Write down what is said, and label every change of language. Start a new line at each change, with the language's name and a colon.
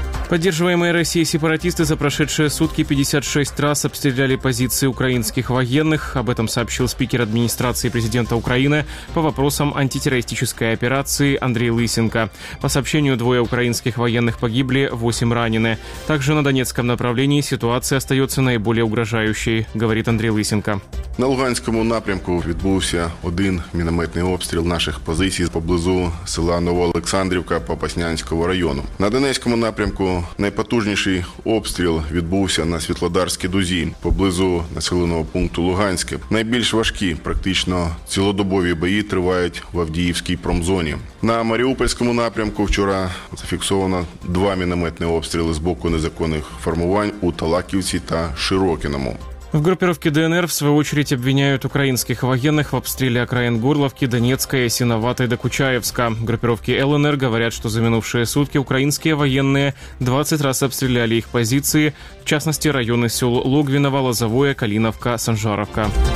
Russian: Поддерживаемые Россией сепаратисты за прошедшие сутки 56 раз обстреляли позиции украинских военных. Об этом сообщил спикер администрации президента Украины по вопросам антитеррористической операции Андрей Лысенко. По сообщению, двое украинских военных погибли, 8 ранены. Также на Донецком направлении ситуация остается наиболее угрожающей, говорит Андрей Лысенко.
Ukrainian: На Луганському напрямку відбувся один мінометний обстріл наших позицій поблизу села Новоолександрівка Попаснянського району. На Донецькому напрямку найпотужніший обстріл відбувся на Світлодарській дузі поблизу населеного пункту Луганське. Найбільш важкі, практично цілодобові бої тривають в Авдіївській промзоні. На Маріупольському напрямку вчора зафіксовано 2 мінометні обстріли з боку незаконних формувань у Талаківці та Широкіному.
Russian: В группировке ДНР, в свою очередь, обвиняют украинских военных в обстреле окраин Горловки, Донецка, Ясиноватой, Докучаевска. Группировки ЛНР говорят, что за минувшие сутки украинские военные 20 раз обстреляли их позиции, в частности, районы сел Логвиново, Лозовое, Калиновка, Санжаровка.